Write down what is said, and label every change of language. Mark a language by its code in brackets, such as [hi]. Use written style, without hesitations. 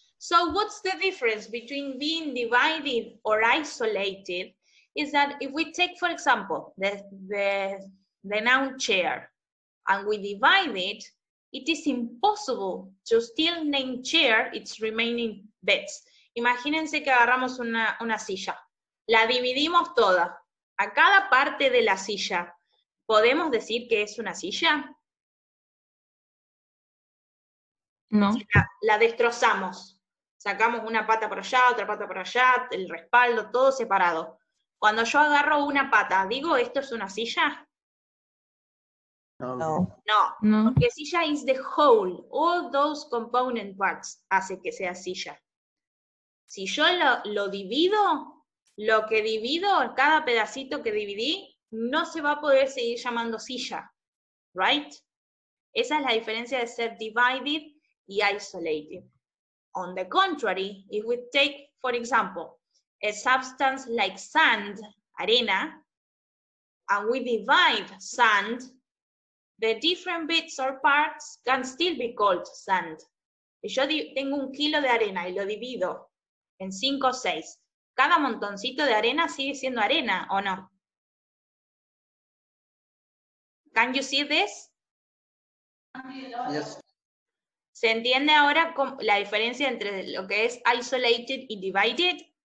[en] So what's the difference between being divided or isolated? Is that if we take, for example, the noun chair, and we divide it, it is impossible to still name chair its remaining bits. [es] Imagínense que agarramos una silla. La dividimos toda. A cada parte de la silla, ¿podemos decir que es una silla? No. La destrozamos. Sacamos una pata por allá, otra pata por allá, el respaldo, todo separado. Cuando yo agarro una pata, ¿digo esto es una silla? No. No, porque silla [en] is the whole. All those component parts [es] hace que sea silla. Si yo lo divido, lo que divido, cada pedacito que dividí, no se va a poder seguir llamando silla. [en] Right? [es] Esa es la diferencia de ser divided y isolated. [en] On the contrary, if we take, for example, a substance like sand, arena, and we divide sand, the different bits or parts can still be called sand. [es] Si yo tengo un kilo de arena y lo divido en 5 o 6, ¿cada montoncito de arena sigue siendo arena o no? [en] Can you see this? Yes. [es] ¿Se entiende ahora la diferencia entre lo que es isolated y divided?